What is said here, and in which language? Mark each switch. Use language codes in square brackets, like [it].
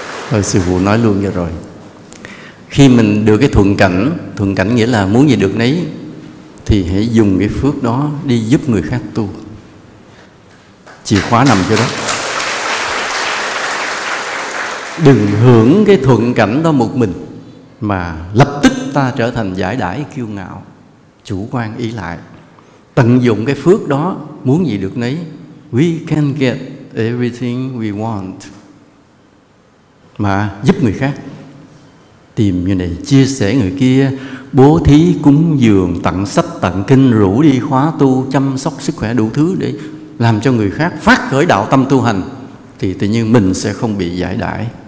[vi] Thôi sư phụ nói luôn vậy rồi. Khi mình được cái thuận cảnh nghĩa là muốn gì được nấy, thì hãy dùng cái phước đó đi giúp người khác tu. Chìa khóa nằm chỗ đó. Đừng hưởng cái thuận cảnh đó một mình, mà lập tức ta trở thành giải đãi kiêu ngạo, chủ quan ý lại. Tận dụng cái phước đó, muốn gì được nấy. [en] We can get everything we want. [vi] Mà giúp người khác, tìm như này, chia sẻ người kia, bố thí cúng dường, tặng sách tặng kinh, rủ đi khóa tu, chăm sóc sức khỏe đủ thứ để làm cho người khác phát khởi đạo tâm tu hành, thì tự nhiên mình sẽ không bị giải đãi.